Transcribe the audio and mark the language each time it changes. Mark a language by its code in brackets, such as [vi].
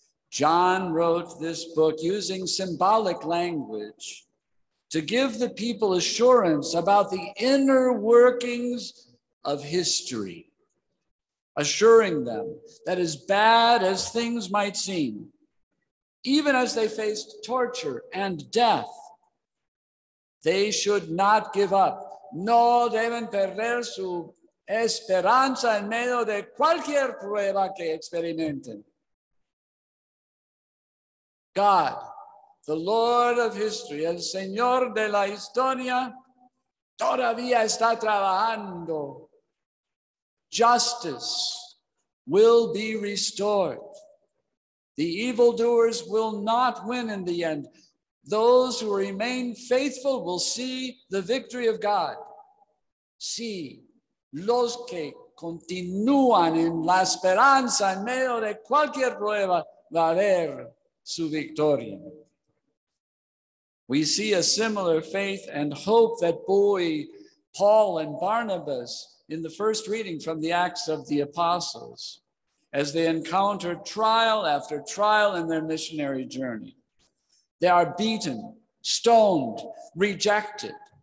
[en] John wrote this book using symbolic language to give the people assurance about the inner workings of history, assuring them that as bad as things might seem, even as they faced torture and death, They should not give up. [es] No deben perder su esperanza en medio de cualquier prueba que experimenten. [en] God, the Lord of history, [es] el Señor de la historia, todavía está trabajando. [en] Justice will be restored. The evildoers will not win in the end. Those who remain faithful will see the victory of God. [es] Sí, los que continúan en la esperanza en medio de cualquier prueba va a ver su victoria. [en] We see a similar faith and hope that buoy Paul and Barnabas in the first reading from the Acts of the Apostles as they encounter trial after trial in their missionary journey. They are beaten, stoned, rejected.